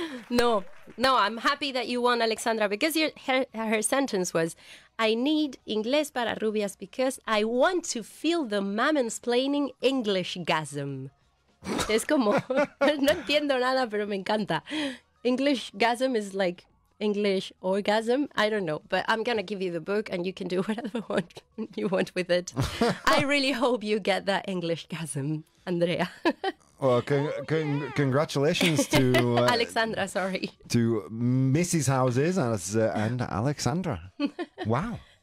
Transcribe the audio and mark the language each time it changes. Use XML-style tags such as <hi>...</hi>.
<en>No, I'm happy that you won, Alexandra, because her sentence was, I need Inglés para rubias because I want to feel the mansplaining Englishgasm.</en> <es>Es como, no entiendo nada, pero me encanta.</es> <en>English gasm is like English orgasm. I don't know, but I'm going to give you the book and you can do whatever you want with it. I really hope you get that English gasm, Andrea. Well, congratulations to Alexandra. Sorry. To Mrs. Houses and Alexandra. Wow.</en>